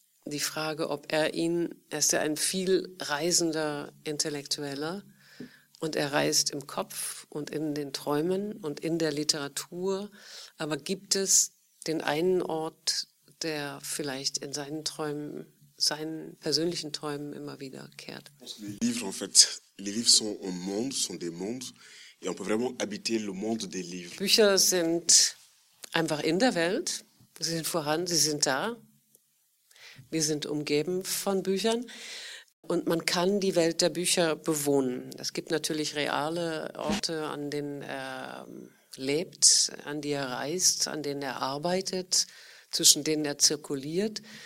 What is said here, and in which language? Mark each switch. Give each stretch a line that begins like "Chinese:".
German: Die Frage, ob er ihn, er ist ja ein viel reisender Intellektueller und er reist im Kopf und in den Träumen und in der Literatur. Aber gibt es den einen Ort, der vielleicht in seinen Träumen, seinen persönlichen Träumen immer wieder kehrt?
French: Les livres sont un monde, sont des mondes. Et on peut vraiment habiter le monde des livres.
German: Bücher sind einfach in der Welt. Sie sind vorhanden, sie sind da. Wir sind umgeben von Büchern. Und man kann die Welt der Bücher bewohnen. Es gibt natürlich reale Orte, an denen er lebt, an die er reist, an denen er arbeitet, zwischen denen er zirkuliert.